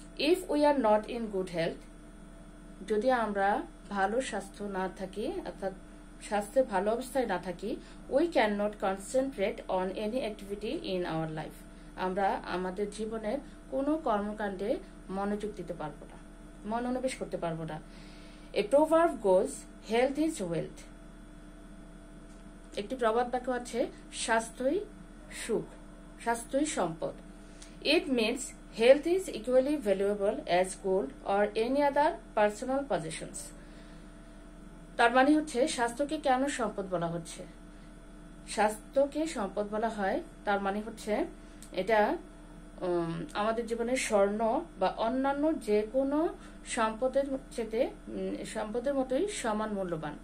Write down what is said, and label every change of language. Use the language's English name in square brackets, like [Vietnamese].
[English] if we are not in good health, [Bangla] যদি আমরা ভালো স্বাস্থ্য না থাকি অর্থাৎ স্বাস্থ্যের ভালো অবস্থায় না থাকি, [English] we can not concentrate on any activity in our life, [Bangla] আমরা আমাদের জীবনের কোনো কর্মকাণ্ডে মনোযোগ দিতে পারবো না, মনোনিবেশ করতে পারবো না। [English] A proverb goes, health is wealth. [Bangla] একটি প্রবাদ বাক্য আছে, স্বাস্থ্যই সুখ, স্বাস্থ্যই সম্পদ. [English] It means health is equally valuable as gold or any other personal possessions. [Bangla] তার মানে হচ্ছে স্বাস্থ্যকে কেন সম্পদ বলা হচ্ছে? স্বাস্থ্যকে সম্পদ বলা হয় তার মানে হচ্ছে এটা আমাদের জীবনে স্বর্ণ বা অন্যান্য যে কোনো সম্পদের চেয়ে সম্পদের মতোই সমান মূল্যবান.